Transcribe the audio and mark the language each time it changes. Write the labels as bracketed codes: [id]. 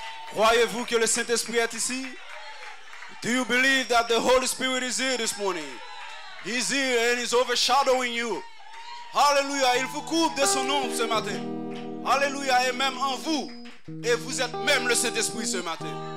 [fr] Croyez-vous que le Saint-Esprit est ici? [en] Do you believe that the Holy Spirit is here this morning? He's here and he's overshadowing you. Alléluia. [fr] Il vous couvre de son ombre ce matin. Alléluia. Et même en vous. Et vous êtes même le Saint-Esprit ce matin.